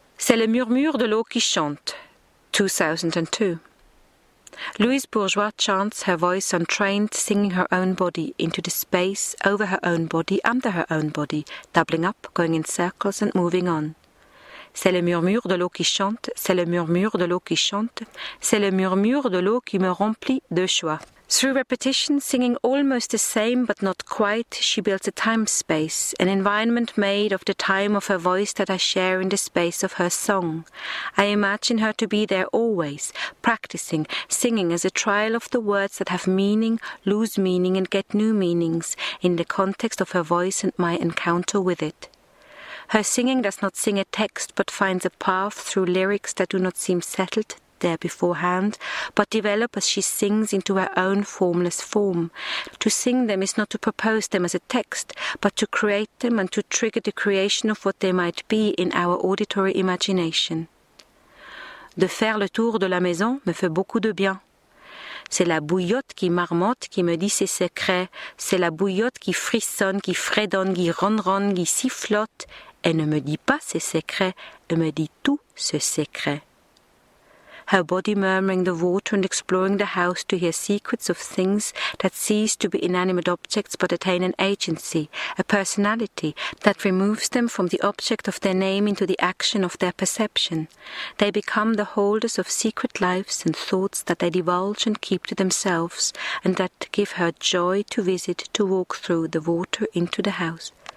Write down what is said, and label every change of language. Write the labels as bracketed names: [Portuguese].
[French] C'est le murmure de l'eau qui chante, 2002. [English] Louise Bourgeois chants her voice on trains, singing her own body into the space, over her own body, under her own body, doubling up, going in circles and moving on. [French] C'est le murmure de l'eau qui chante, c'est le murmure de l'eau qui chante, c'est le murmure de l'eau qui me remplit de joie. [English] Through repetition, singing almost the same but not quite, she builds a time-space, an environment made of the time of her voice that I share in the space of her song. I imagine her to be there always, practicing, singing as a trial of the words that have meaning, lose meaning and get new meanings in the context of her voice and my encounter with it. Her singing does not sing a text but finds a path through lyrics that do not seem settled there beforehand, but develop as she sings into her own formless form. To sing them is not to propose them as a text, but to create them and to trigger the creation of what they might be in our auditory imagination. [French] De faire le tour de la maison me fait beaucoup de bien. C'est la bouillotte qui marmotte, qui me dit ses secrets. C'est la bouillotte qui frissonne, qui fredonne, qui ronronne, qui sifflotte. Elle ne me dit pas ses secrets, elle me dit tout ce secret. [English] Her body murmuring the water and exploring the house to hear secrets of things that cease to be inanimate objects but attain an agency, a personality that removes them from the object of their name into the action of their perception. They become the holders of secret lives and thoughts that they divulge and keep to themselves and that give her joy to visit, to walk through the water into the house.